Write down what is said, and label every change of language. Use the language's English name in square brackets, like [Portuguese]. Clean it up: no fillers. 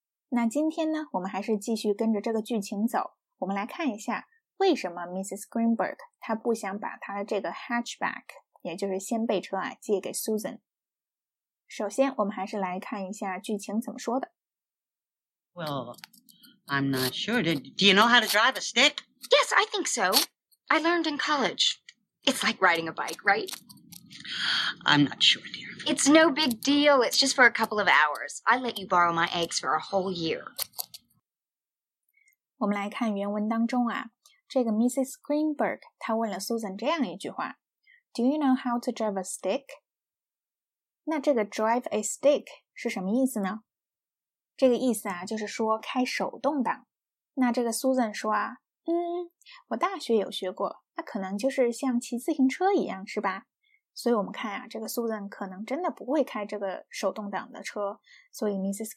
[Chinese] 那今天呢，我们还是继续跟着这个剧情走，我们来看一下为什么 Mrs. Greenberg 她不想把她的这个 hatchback 也就是掀背车啊借给 Susan。首先我们还是来看一下剧情怎么说的。 [English] Well, I'm not sure. Do you know how to drive a stick? Yes, I think so. I learned in college. It's like riding a bike, right? I'm not sure, dear. It's no big deal. It's just for a couple of hours. I let you borrow my eggs for a whole year. [Chinese] 我们来看原文当中啊，这个 Mrs. Greenberg 她问了 Susan 这样一句话 [English] Do you know how to drive a stick? [Chinese] 那这个 [English] drive a stick [Chinese] 是什么意思呢？这个意思啊，就是说开手动挡。那这个 Susan 说啊，我大学有学过，那可能就是像骑自行车一样，是吧？所以我们看啊，这个 Susan 可能真的不会开这个手动挡的车，所以 Mrs.